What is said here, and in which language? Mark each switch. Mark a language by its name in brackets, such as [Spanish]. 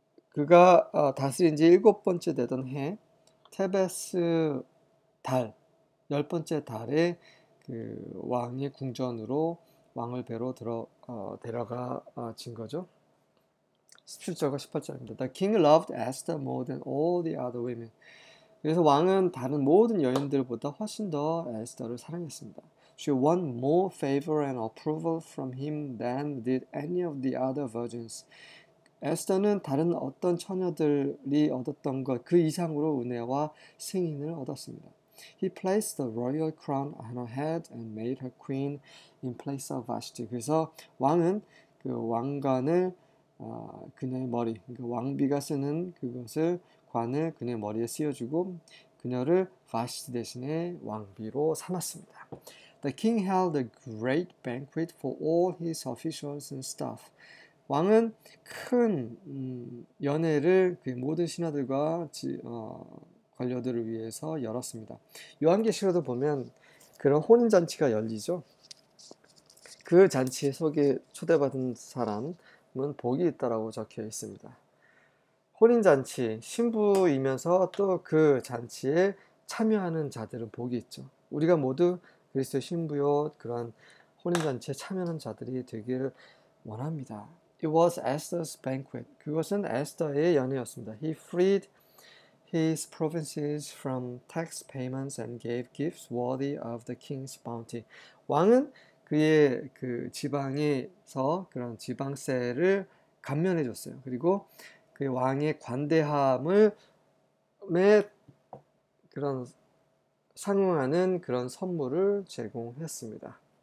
[Korean] 그가 다스린 지 일곱 번째 되던 해, 테베스 달, 열 번째 달에 왕의 궁전으로 왕을 뵈러 데려가 진 거죠. 17절과 18절입니다. [English] The king loved Esther more than all the other women. [Korean] 그래서 왕은 다른 모든 여인들보다 훨씬 더 에스더를 사랑했습니다. [English] She won more favor and approval from him than did any of the other virgins. [Korean] 에스더는 다른 어떤 처녀들이 얻었던 것그 이상으로 은혜와 승인을 얻었습니다. [English] He placed the royal crown on her head and made her queen in place of Vashti. [Korean] 그래서 왕은 그 왕관을 그녀의 머리, 그러니까 왕비가 쓰는 그것을 관을 그녀의 머리에 씌워주고 그녀를 바시티 대신에 왕비로 삼았습니다. [English] The king held a great banquet for all his officials and staff. [Korean] 왕은 큰 연회를 그 모든 신하들과 관료들을 위해서 열었습니다. 요한계시록도 보면 그런 혼인 잔치가 열리죠. 그 잔치에 초대받은 사람은 복이 있다라고 적혀 있습니다. 혼인 잔치 신부이면서 또그 잔치에 참여하는 자들은 복이 있죠. 우리가 모두 그리스도의 신부요, 그러한 혼인잔치에 참여하는 자들이 되기를 원합니다. [English] It was Esther's banquet. [Korean] 그것은 에스더의 연회였습니다. [English] He freed his provinces from tax payments and gave gifts worthy of the king's bounty. [Korean] 왕은 그의 그 지방에서 그런 지방세를 감면해 줬어요. 그리고 그 왕의 관대함을 그런 상응하는 그런 선물을 제공했습니다.